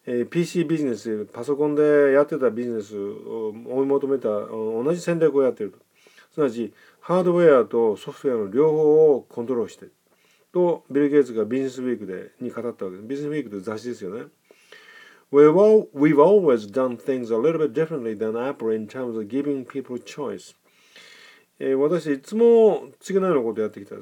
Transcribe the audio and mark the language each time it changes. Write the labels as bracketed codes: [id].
[ja] PC ビジネス、パソコンでやってたビジネスを追い求めた同じ戦略をやっていると。すなわち、ハードウェアとソフトウェアの両方をコントロールしている。とビル・ゲイツがビジネスウィークでに語ったわけです。ビジネスウィークという雑誌ですよね。 [en] We've always done things a little bit differently than Apple in terms of giving people choice. [ja] 私いつも次のようなことをやってきた。